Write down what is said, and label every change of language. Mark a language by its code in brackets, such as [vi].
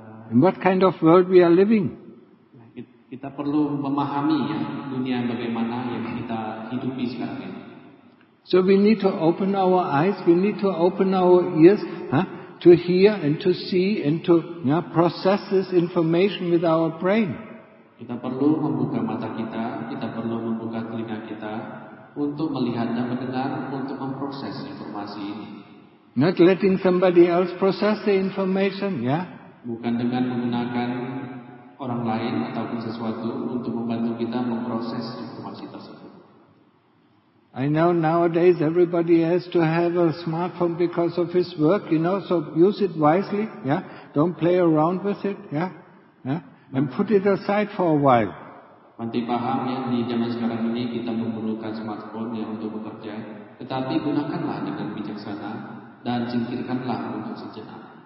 [en] in what kind of world we are living? [id] Kita perlu memahami ya dunia bagaimana yang kita hidupi sekarang ini. [en] So we need to open our eyes, we need to open our ears, to hear and to see and to process this information with our brain. [id] Kita perlu membuka mata kita perlu membuka telinga kita untuk melihat dan mendengar untuk memproses informasi ini. [en] Not letting somebody else process the information, ya? Yeah? [id] Bukan dengan menggunakan orang lain ataupun sesuatu untuk membantu kita memproses informasi tersebut. [en] I know nowadays everybody has to have a smartphone because of his work, you know, so use it wisely, yeah? Don't play around with it, yeah? Yeah? And put it aside for a while. [id] Nanti paham ya, di zaman sekarang ini kita memerlukan smartphone ya untuk bekerja, tetapi gunakanlah dengan bijaksana dan singkirkanlah untuk sejenak.